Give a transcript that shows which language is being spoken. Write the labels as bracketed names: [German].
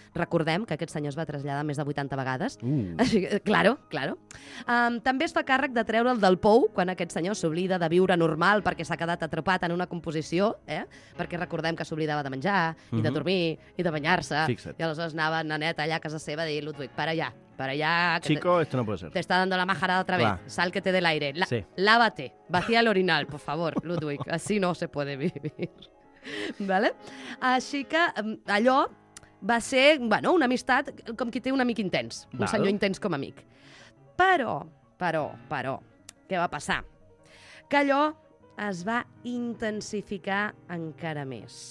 [Catalan] Recordem que aquest senyor es va traslladar més de 80 vegades. Claro. També es fa càrrec de treure'l del pou quan aquest senyor s'oblida de viure normal perquè s'ha quedat atrapat en una composició, perquè recordem que s'oblidava de menjar i de dormir i de banyar-se. I aleshores anava Nanet allà a casa seva a dir, Ludwig, [Spanish] para allá. Que chico, esto no puede ser. Te está dando la majarada otra vez. Claro. Sal que te dé el aire. Sí. Lávate. Vacía el orinal, por favor, Ludwig. Así no se puede vivir. ¿Vale? [Catalan] Així que allò va ser, bueno, una amistat com qui té un amic intens. Un senyor intens com amic. Però, què va passar? Que allò es va intensificar encara més.